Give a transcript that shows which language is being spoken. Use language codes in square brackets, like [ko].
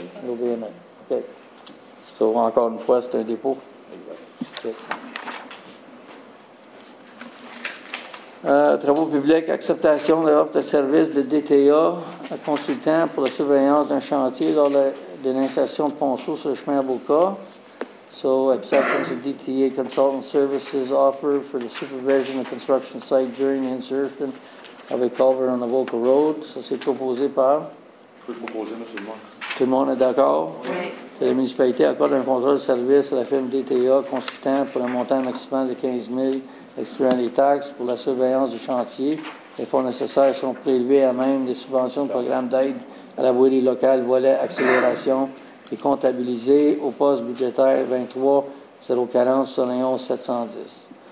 [fr] L'OBNL. OK. Ça, encore une fois, c'est un dépôt. Travaux publics, acceptation de l'offre de service de DTA, un consultant pour la surveillance d'un chantier lors de l'insertion de ponceaux sur le chemin Aboca. [en] So, acceptance of DTA consultant services offered for the supervision of construction site during the insertion of a culvert on the Aboca Road. [fr] Ça, c'est proposé par? Je peux le proposer, monsieur le maire. Tout le monde est d'accord? Oui. Que la municipalité accorde un contrat de service à la firme DTA, consultant pour un montant maximum de 15 000 excluant les taxes pour la surveillance du chantier. Les fonds nécessaires sont prélevés à même des subventions de programmes d'aide à la voirie locale volet accélération et comptabilisés au poste budgétaire 23-040-710.